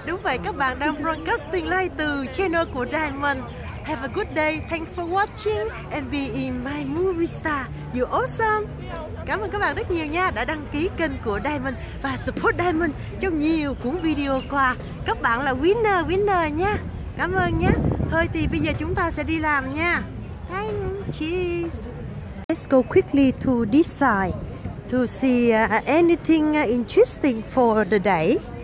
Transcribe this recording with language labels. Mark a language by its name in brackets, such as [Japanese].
[Vietnamese] phải, các bạn đang [English] broadcasting live [Vietnamese] từ channel của Diamond. [English] Have a good day. Thanks for watching and be in my movie star. You're awesome. [Vietnamese] Cảm ơn các bạn rất nhiều nha đã đăng ký kênh của Diamond và support Diamond trong nhiều cuốn video qua. Các bạn là winner nha. Cảm ơn nhé. Thôi thì bây giờ chúng ta sẽ đi làm nha. [English] Thank you. Cheers. Let's go quickly to this side to see anything interesting for the day.